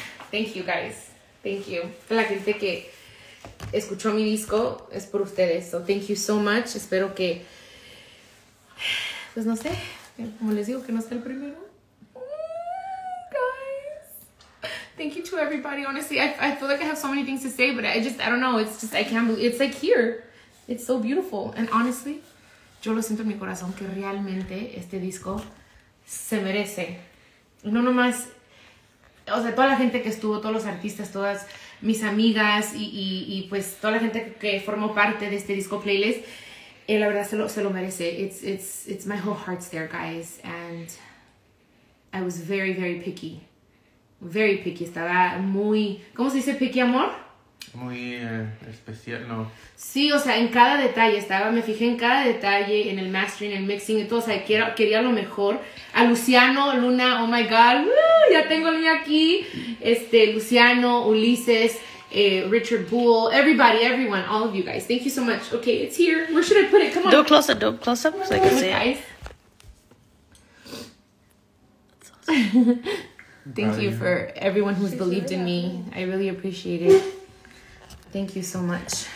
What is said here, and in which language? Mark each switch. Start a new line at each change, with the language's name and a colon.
English: Thank you, guys. Thank you.
Spanish: La gente que escuchó mi disco es por ustedes,
English: so thank you so much.
Spanish: Espero que, pues no sé, como les digo, que no sea el primero.
English: Guys, thank you to everybody. Honestly, I feel like I have so many things to say, but I don't know. It's just, I can't believe, it's like here, it's so beautiful. And honestly,
Spanish: yo lo siento en mi corazón que realmente este disco se merece, no nomás, o sea, toda la gente que estuvo, todos los artistas, todas mis amigas y pues toda la gente que formó parte de este disco playlist, la verdad se lo merece.
English: It's my whole heart's there, guys. And I was very, very picky. Very picky.
Spanish: Estaba muy... ¿Cómo se dice picky, amor? Muy especial, ¿no? Sí, o sea, en cada detalle estaba. Me fijé en cada detalle, en el mastering, el mixing y todo. O sea, quería lo mejor. A Luciano, Luna,
English: oh my God,
Spanish: ya tengo el mío aquí.
English: Luciano, Ulises, Richard Bull, everybody, everyone, all of you guys. Thank you so much. Okay, it's here. Where should I put it? Come on. Do a close up so I can see it. That's awesome. Thank you for everyone who's believed in me. I really appreciate it. Thank you so much.